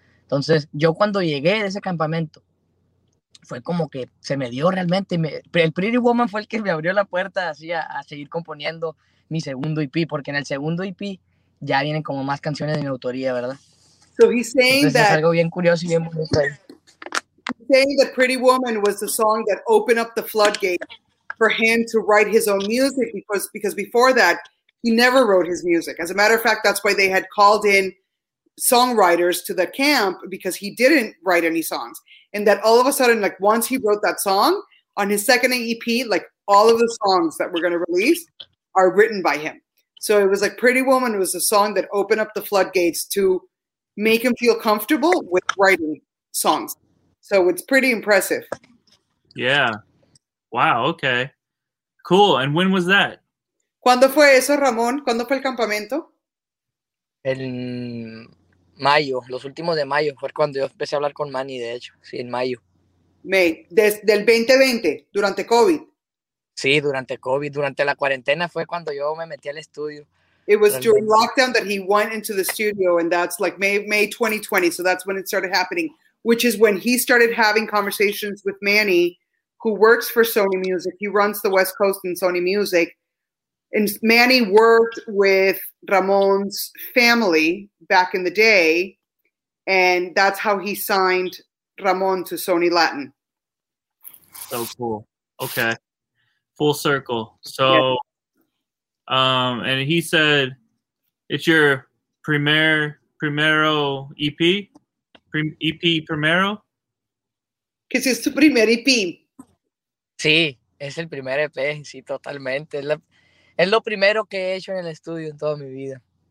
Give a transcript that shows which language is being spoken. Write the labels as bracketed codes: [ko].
[es] Entonces, yo cuando llegué de ese campamento, fue como que se me dio realmente. El Pretty Woman fue el que me abrió la puerta así a seguir componiendo mi segundo EP, porque en el segundo EP ya vienen como más canciones de mi autoría, ¿verdad? [en] So he's saying [es] entonces, [en] that [es] es algo bien curioso y bien bonito. [en] He's saying that Pretty Woman was the song that opened up the floodgate for him to write his own music, because before that, he never wrote his music. As a matter of fact, that's why they had called in songwriters to the camp, because he didn't write any songs. And that all of a sudden, like once he wrote that song on his second EP, like all of the songs that we're going to release are written by him. So it was like Pretty Woman was a song that opened up the floodgates to make him feel comfortable with writing songs. So it's pretty impressive. Yeah. Wow. Okay. Cool. And when was that? [es] ¿Cuándo fue eso, Ramón? ¿Cuándo fue el campamento? El mayo, los últimos de mayo, fue cuando yo empecé a hablar con Manny, de hecho, sí, en mayo. May, desde el 2020, durante COVID. Sí, durante COVID, durante la cuarentena fue cuando yo me metí al estudio. [en] It was [es] realmente [en] during lockdown that he went into the studio, and that's like May 2020, so that's when it started happening, which is when he started having conversations with Manny, who works for Sony Music. He runs the West Coast in Sony Music. And Manny worked with Ramon's family back in the day, and that's how he signed Ramon to Sony Latin. So cool. Okay. Full circle. So, yeah. And he said, it's your [es] primero [en] EP? [es] EP primero? Que si es tu primer EP. Sí, es el primer EP, sí, totalmente. Es lo primero que he hecho en el estudio en toda mi vida.